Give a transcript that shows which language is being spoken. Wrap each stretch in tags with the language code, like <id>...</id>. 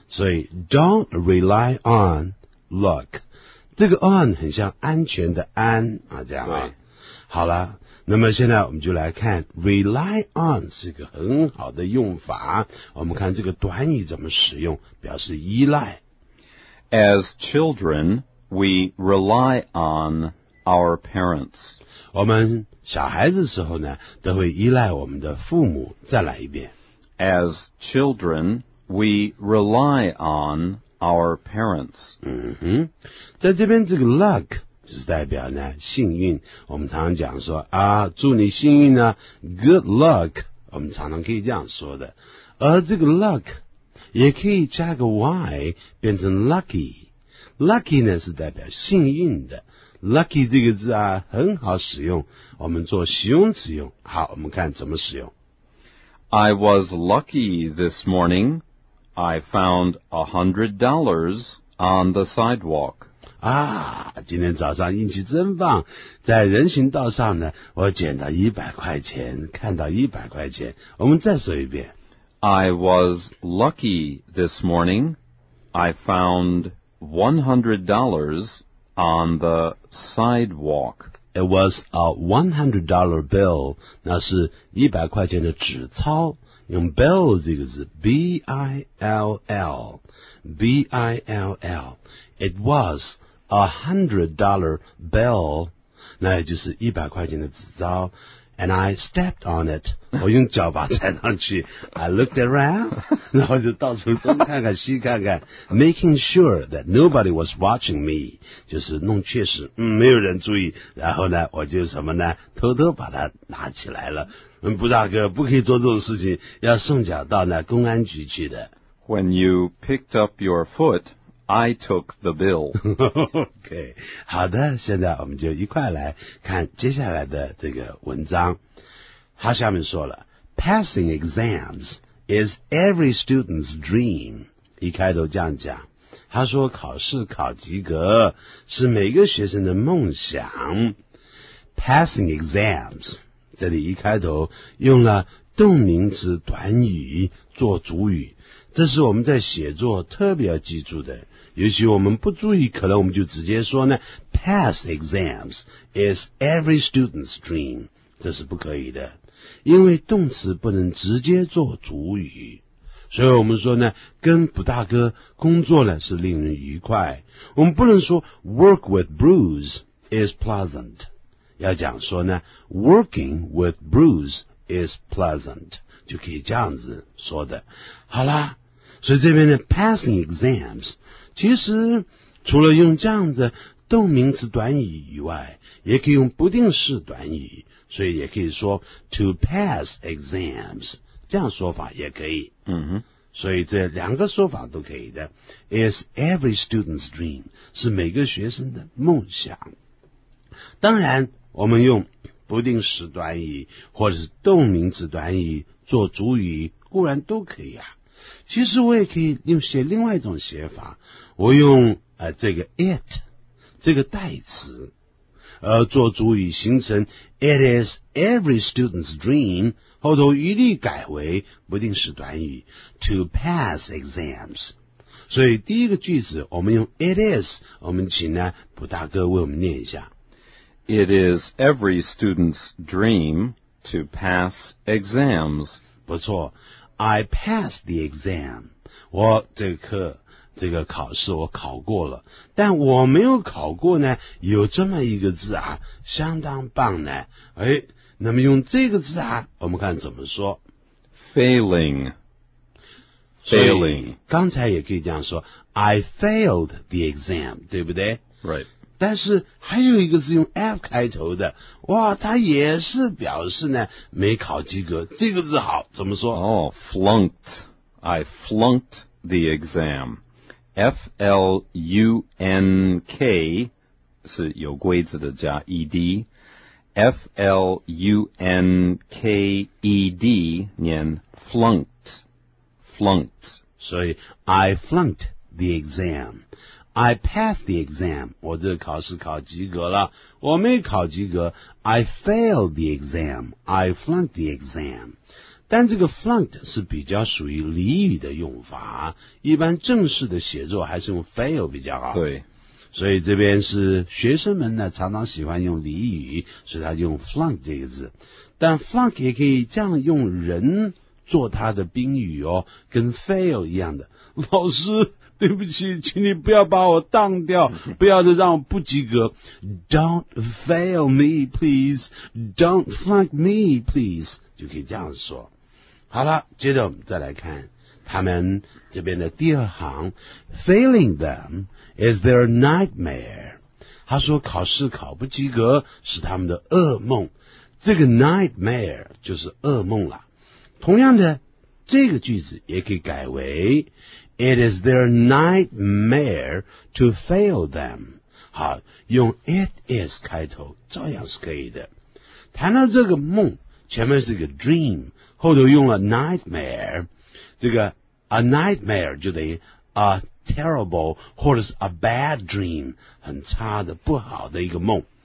<zh>所以</zh> <en>don't rely on luck,</en> <zh>这个 on 很像安全的安啊，这样啊。好了，那么现在我们就来看 rely on 是个很好的用法。我们看这个短语怎么使用，表示依赖。</zh> <en>As children, we rely on our parents.</en> <zh>我们小孩子的时候呢，都会依赖我们的父母。再来一遍。</zh> <en>As children, we rely on. Our parents.</en> <zh>嗯哼，在这边这个 luck 就是代表呢幸运。我们常常讲说啊，祝你幸运呢、啊、，</zh> <en>good luck。</en> <zh>我们常常可以这样说的。而这个 luck 也可以加个 y 变成 lucky。 lucky 呢是代表幸运的。lucky 这个字啊很好使用，我们做形容词用。好，我们看怎么使用。</zh> <en>I was lucky this morning. I found $100 on the sidewalk.</en> <zh>啊，今天早上运气真棒，在人行道上呢，我捡到100块钱，看到100块钱。我们再说一遍。</zh> <en>I was lucky this morning. I found $100 on the sidewalk. It was a $100 bill.</en> <zh>那是100块钱的纸钞。用 bill 这个字 ,B-I-L-L, B-I-L-L,</zh> <en>it was $100 bill,</en> <zh>那也就是100块钱的纸钞</zh> <en>and I stepped on it,</en> <zh>我用脚把踩上去,</zh> <en>I looked around,</en> <zh>然后就到处东看看西看看 ,</zh> <en>making sure that nobody was watching me,</en> <zh>就是弄确实没有人注意，然后呢我就什么呢偷偷把它拿起来了。不大哥不可以做这种事情，要送脚到那公安局去的。</zh> <en>When you picked up your foot, I took the bill.</en> <zh>OK, 好的，现在我们就一块来看接下来的这个文章。他下面说了 ,</zh> <en>passing exams is every student's dream.</en> <zh>一开头这样讲。他说考试考及格是每个学生的梦想。</zh> <en>Passing exams,</en> <zh>这里一开头用了动名词短语做主语，这是我们在写作特别要记住的。尤其我们不注意，可能我们就直接说呢 ,</zh> <en>pass exams is every student's dream,</en> <zh>这是不可以的。因为动词不能直接做主语。所以我们说呢，跟卜大哥工作呢是令人愉快。我们不能说</zh> <en>work with Bruce is pleasant,</en> <zh>要讲说呢</zh> <en>working with Bruce is pleasant,</en> <zh>就可以这样子说的。好啦，所以这边呢</zh> <en>passing exams,</en> <zh>其实除了用这样的动名词短语以外，也可以用不定式短语，所以也可以说</zh> <en>to pass exams,</en> <zh>这样说法也可以，嗯哼，所以这两个说法都可以的。</zh> <en>Is every student's dream</en> <zh>是每个学生的梦想。当然，我们用不定式短语或者是动名词短语做主语，固然都可以啊。其实我也可以用写另外一种写法，我用这个 it 这个代词，做主语，形成</zh> <en>It is every student's dream。</en> <zh>后头一律改为不定式短语</zh> <en>to pass exams。</en> <zh>所以第一个句子我们用 it is， 我们请呢卜大哥为我们念一下。</zh> <en>It is every student's dream to pass exams。</en> <zh>不错，</zh> <en>I passed the exam，</en> <zh>我这个课这个考试我考过了，但我没有考过呢有这么一个字啊，相当棒呢。诶，那么用这个字啊，我们看怎么说</zh> <en>failing failing。</en> <zh>刚才也可以这样说</zh> <en>I failed the exam，</en> <zh>对不对？</zh> <en>right。</en> <zh>但是还有一个字用 F 开头的，哇，它也是表示呢没考及格，这个字好，怎么说？</zh> <en>哦、oh, flunked， I flunked the exam， F-L-U-N-K</en> <zh>是有龟字的加</zh> <en>E-D，F-L-U-N-K-E-D,</en> <zh>念</zh> <en>flunked, flunked. 所以 I flunked the exam. I passed the exam.</en> <zh>我这个考试考及格了。我没考及格。</zh> <en>I failed the exam. I flunked the exam.</en> <zh>但这个 flunked 是比较属于俚语的用法。一般正式的写作还是用 fail 比较好。对。所以这边是学生们呢常常喜欢用俚语，所以他用 flunk 这个字。但 flunk 也可以这样用人做他的宾语哦，跟 fail 一样的。老师对不起，请你不要把我当掉，不要再让我不及格。</zh> <en>Don't fail me please, don't flunk me please,</en> <zh>就可以这样说。好了，接着我们再来看他们这边的第二行，</zh> <en>failing themIs their nightmare?</en> <zh>他说考试考不及格是他们的噩梦。这个 nightmare 就是噩梦啦。同样的，这个句子也可以改为</zh> <en>It is their nightmare to fail them.</en> <zh>好，用 it is 开头照样是可以的。谈到这个梦，前面是个 dream， 后头用了 nightmare， 这个 a nightmare 就等于 aterrible 或者是</zh> <en>a bad dream，</en> <zh>很差的不好的一个梦。</zh>